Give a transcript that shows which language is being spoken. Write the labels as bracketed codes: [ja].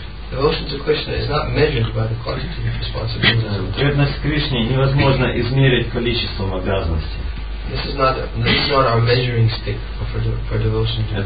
[en] Devotion to Krishna is not measured by the quantity of responsibilities that we [ru] Преданность Кришне невозможно измерить количеством обязанностей. [en] This is not our measuring stick for devotion to Krishna.